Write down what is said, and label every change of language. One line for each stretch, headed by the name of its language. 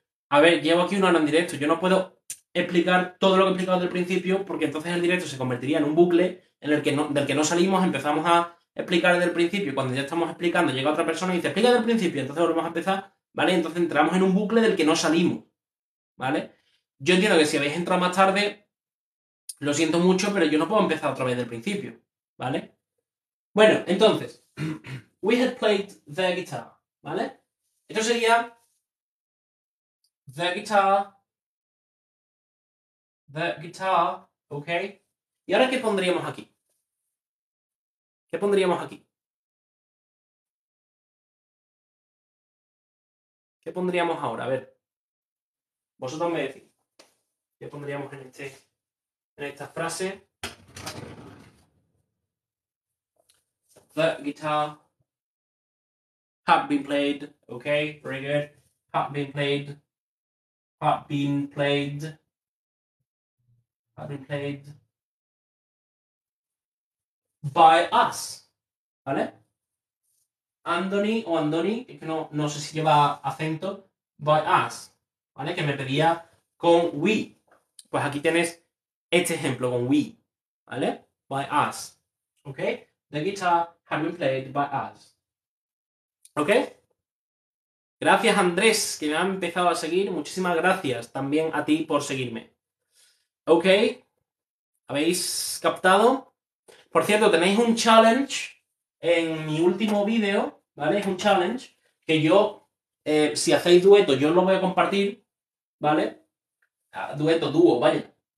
Spanish: A ver, llevo aquí una hora en directo, yo no puedo explicar todo lo que he explicado desde el principio, porque entonces el directo se convertiría en un bucle en el que no, del que no salimos, empezamos a explicar desde el principio. Cuando ya estamos explicando, llega otra persona y dice, explica desde el principio, entonces volvemos a empezar... ¿Vale? Entonces entramos en un bucle del que no salimos, ¿vale? Yo entiendo que si habéis entrado más tarde, lo siento mucho, pero yo no puedo empezar otra vez del principio, ¿vale? Bueno, entonces,
English: we had played the guitar,
Spanish: ¿vale? Esto sería
English: the guitar,
Spanish: ¿ok? ¿Y ahora qué pondríamos aquí? ¿Qué pondríamos aquí? ¿Qué pondríamos ahora? A ver, vosotros me decís. ¿Qué pondríamos en este, en esta frase?
English: The guitar had been played. Ok, very good. Had been played. Had been played. Had been played. By us. ¿Vale?
Spanish: Anthony o Andoni, que no, no sé si lleva acento, by us, ¿vale? Que me pedía con we. Pues aquí tienes este ejemplo con we, ¿vale?
English: By us, ¿ok? The guitar had been played by us, ¿ok?
Spanish: Gracias Andrés, que me ha empezado a seguir. Muchísimas gracias también a ti por seguirme. ¿Ok? ¿Habéis captado? Por cierto, tenéis un challenge en mi último vídeo. ¿Vale? Es un challenge que yo, si hacéis dueto, yo os lo voy a compartir, ¿vale? Dueto, dúo, vaya.